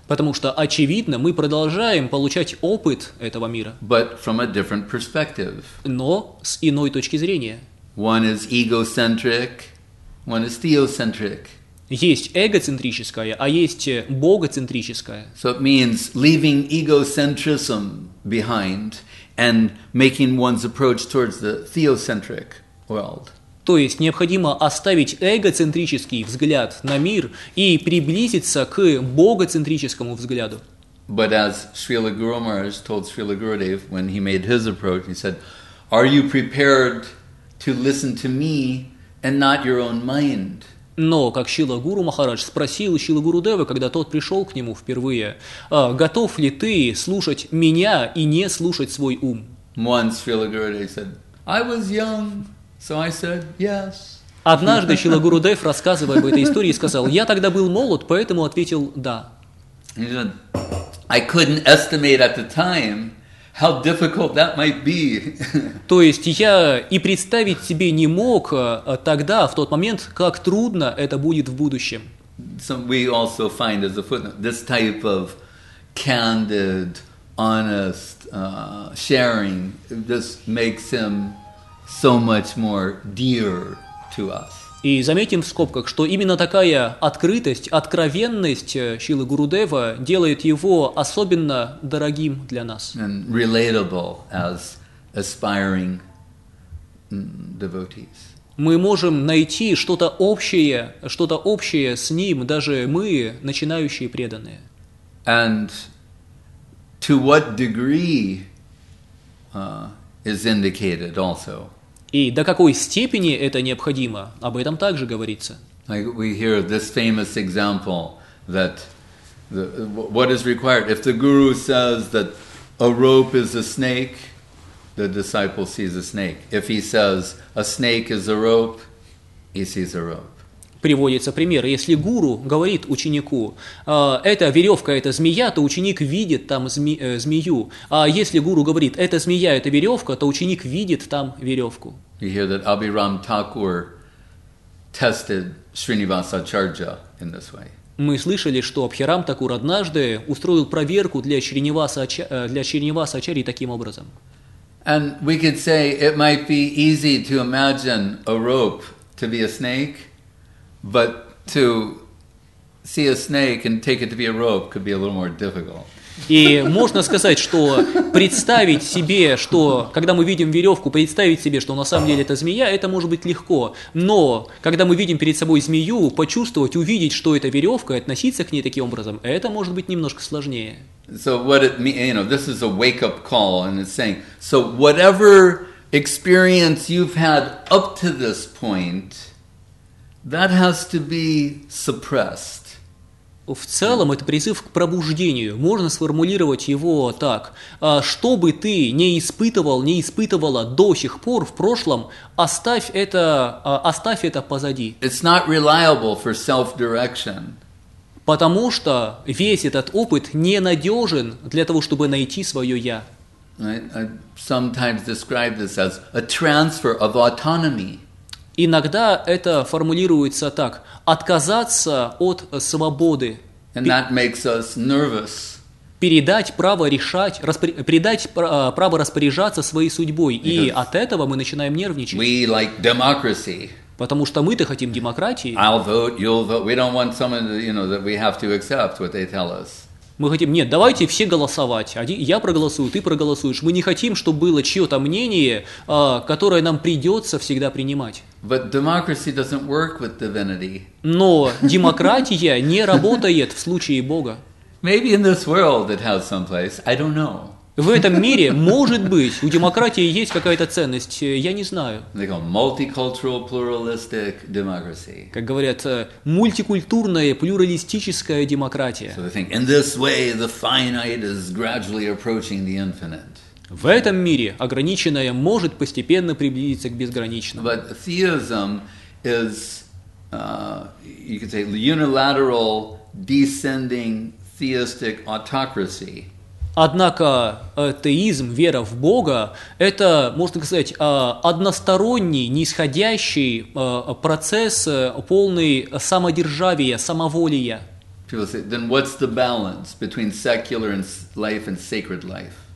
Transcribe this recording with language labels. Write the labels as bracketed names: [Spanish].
[Russian] Потому что очевидно, мы продолжаем получать опыт этого мира. [English] But from a different perspective. [Russian] Но с иной точки зрения. [English] One is egocentric, one is theocentric. [Russian] Есть эгоцентрическое, а есть богоцентрическое. [English] So it means leaving egocentrism behind and making one's approach towards the theocentric world. [Russian] То есть необходимо оставить эгоцентрический взгляд на мир и приблизиться к богоцентрическому взгляду. [English] But as Srila Guru Maharaj told Srila Gurudev when he made his approach, he said, "Are you prepared to listen to me and not your own mind?" [Russian] Но как Шрила Гуру Махарадж спросил Шрила Гурудева, когда тот пришел к нему впервые, готов ли ты слушать меня и не слушать свой ум? [English] Once Srila Gurudev said, "I was young." So I said, yes. [Russian] Однажды Шрила Гурудев, рассказывая об этой истории, сказал, я тогда был молод, поэтому ответил да. [English] He said, I couldn't estimate at the time how difficult that might be. [Russian] То есть я и представить себе не мог тогда, в тот момент, как трудно это будет в будущем. [English] So we also find as a footnote this type of candid, honest sharing just makes him so much more dear to us. [Russian] И заметим в скобках, что именно такая открытость, откровенность Шрилы Гурудева делает его особенно дорогим для нас. [English] And relatable as aspiring devotees. [Russian] мы можем найти что-то общее с ним, даже мы, начинающие преданные. [English] And to what degree is indicated also. [Russian] И до какой степени это необходимо, об этом также говорится. [English] Like we hear this famous example that what is required? If the guru says that a rope is a snake, the disciple sees a snake. If he says a snake is a rope, he sees a rope. [Russian] Приводится пример. Если гуру говорит ученику, это веревка, это змея, то ученик видит там змею. А если гуру говорит, это змея, это веревка, то ученик видит там веревку. [English] You hear that Abhiram Thakur tested Srinivas Acharya in this way. [Russian] Мы слышали, что Абхирам Такур однажды устроил проверку для Шриниваса Ачарьи таким образом. [English] And we could say it might be easy to imagine a rope to be a snake, but to see a snake and take it to be a rope could be a little more difficult. [Russian] И можно сказать, что представить себе, что когда мы видим веревку, представить себе, что на самом деле это змея, это может быть легко. Но когда мы видим перед собой змею, почувствовать, увидеть, что это веревка, и относиться к ней таким образом, это может быть немножко сложнее. [English] So what it means, you know, this is a wake-up call, and it's saying, so whatever experience you've had up to this point, that has to be suppressed. [Russian] В целом, это призыв к пробуждению. Можно сформулировать его так. Что бы ты не испытывал, не испытывала до сих пор в прошлом, оставь это позади. [English] It's not reliable for self-direction. [Russian] Потому что весь этот опыт ненадежен для того, чтобы найти свое «я». [English] I sometimes describe this as a transfer of autonomy. [Russian] Иногда это формулируется так. Отказаться от свободы. [English] And that makes us nervous. [Russian] Передать право распоряжаться своей судьбой. [English] Because [Russian] и от этого мы начинаем нервничать. [English] We like democracy. [Russian] Потому что мы-то хотим демократии. [English] I'll vote, you'll vote. We don't want someone, you know, that we have to accept what they tell us. [Russian] Мы хотим, нет, давайте все голосовать. Я проголосую, ты проголосуешь. Мы не хотим, чтобы было чье-то мнение, которое нам придется всегда принимать. [English] But democracy doesn't work with divinity. [Russian] Но демократия не работает в случае Бога. [English] Maybe in this world it has some place. I don't know. [Russian] В этом мире, может быть, у демократии есть какая-то ценность, я не знаю. [English] They call multicultural pluralistic democracy. [Russian] Как говорят, мультикультурная плюралистическая демократия. [English] So they think, in this way the finite is gradually approaching the infinite. [Russian] В этом мире ограниченное может постепенно приблизиться к безграничному. [English] But theism is, you could say, unilateral descending theistic autocracy. [Russian] Однако теизм, вера в Бога, это, можно сказать, односторонний, нисходящий процесс, полный самодержавия, самоволия. [English] People say, then what's the balance between secular life and sacred life?